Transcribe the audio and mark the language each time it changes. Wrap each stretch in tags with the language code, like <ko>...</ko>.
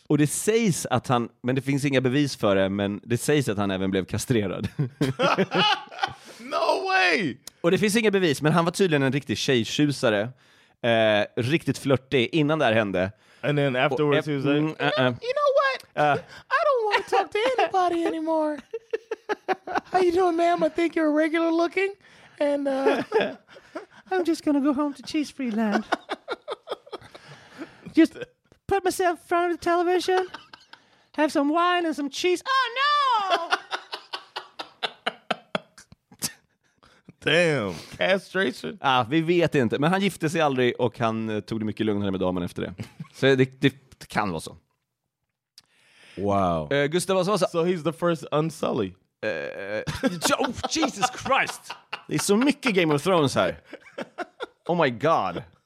<sv>Och det sägs att han, men det finns inga bevis för det, men det sägs att han även blev kastrerad.</sv> <en>No way!</en> <sv>Och det finns inga bevis, men han var tydligen en riktig tjejtjusare. Riktigt flörtig innan det här hände.</sv> <en>And then afterwards he was like, You know what? I don't want to talk to anybody anymore. How you doing, ma'am? I think you're regular looking. And... I'm just gonna go home to Cheese Freeland. Just put myself in front of the television, have some wine and some cheese. Oh no! Damn, castration.</en> <sv>Ja, vi vet inte. Men han gifte sig aldrig och han tog det mycket lugnare med damen efter det. Så det kan vara så.</sv> <en>Wow. Gustav Vasa. So he's the first Unsully. Jesus Christ.</en> <sv>Det är så mycket Game of Thrones här.</sv> <en>Oh my god.</en>